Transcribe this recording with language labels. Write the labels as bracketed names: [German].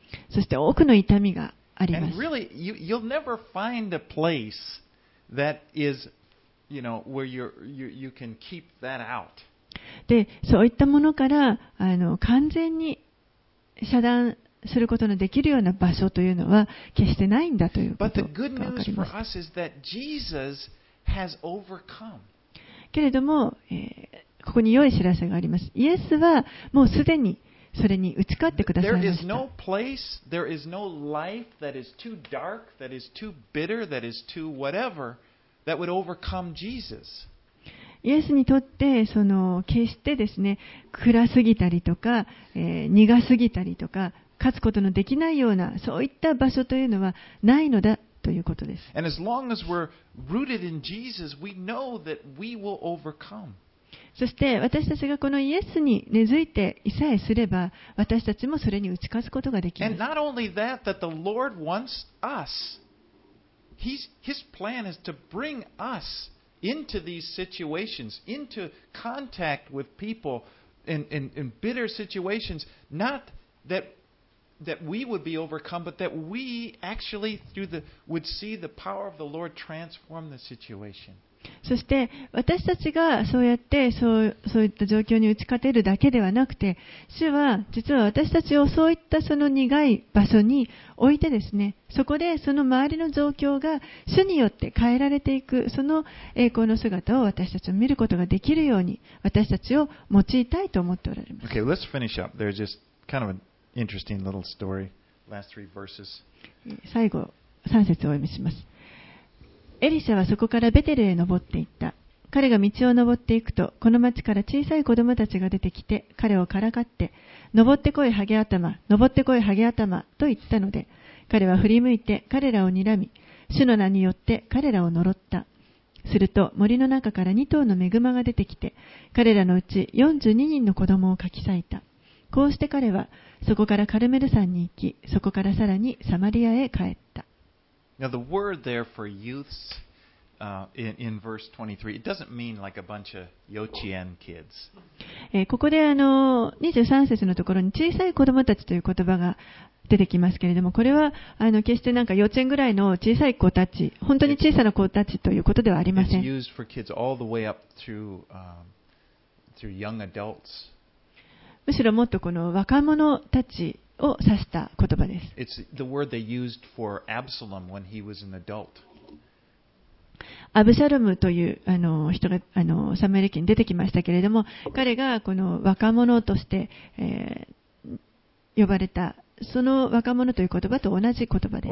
[Japanese] そして多くの痛みがあります。 [English] Really, you'll never find a place that is, you know, where you can keep that out. [Japanese] で、そういったものから完全に遮断することのできるような場所というのは決してないんだということが分かります。 [English] But the good news for us is that Jesus has overcome. [Japanese] けれども、ここに良い知らせがあります。イエスはもうすでにそれに打ち勝ってくださいました。 [English] There is no place, there is no life that is too dark, that is too bitter, that is too whatever, that would overcome Jesus. [Japanese] イエスにとって、その、決してですね、暗すぎたりとか、苦すぎたりとか、勝つことのできないような、そういった場所というのはないのだ。ということです。 [English] And as long as we're rooted in Jesus, we know that we will overcome. [Japanese] そして私たちがこのイエスに根付いていさえすれば、私たちもそれに打ち勝つことができます。 [English] And not only that, that the Lord wants us, His plan is to bring us into these situations, into contact with people in bitter situations, not that we would be overcome, but that we actually would see the power of the Lord transform the situation. [Japanese] そして私たちがそうやってそういった状況に打ち勝てるだけではなくて、主は実は私たちをそういったその苦い場所に置いてですね、そこでその周りの状況が主によって変えられていく、その栄光の姿を私たちを見ることができるように私たちを用いたいと思っておられます。 [English] Okay, let's finish up. There's just kind of an interesting little story. Last three verses. [Japanese] 最後3節をお読みします。エリシャはそこからベテルへ登っていった。彼が道を登っていくと、この町から小さい子供たちが出てきて、彼をからかって、登ってこいハゲ頭、登ってこいハゲ頭と言ったので、彼は振り向いて彼らを睨み、主の名によって彼らを呪った。すると森の中から2頭のメグマが出てきて、彼らのうち42人の子供をかき裂いた。こうして彼はそこからカルメル山に行き、そこからさらにサマリアへ帰った。 [English] Now the word there for youths in verse 23, it doesn't mean like a bunch of yochien kids. [Japanese] ここで23節のところに小さい子供たちという言葉が出てきますけれども、これは決してなんか幼稚園ぐらいの小さい子たち、本当に小さな子たちということではありません。 [English] It's used for kids all the way up through young adults. [Japanese] むしろもっとこの若者たちを指した言葉です。 [English] It's the word they used for Absalom when he was an adult. [Japanese] アブシャロムという人がサムエル記に出てきましたけれども、彼がこの若者として、呼ばれた、その若者という言葉と同じ言葉です。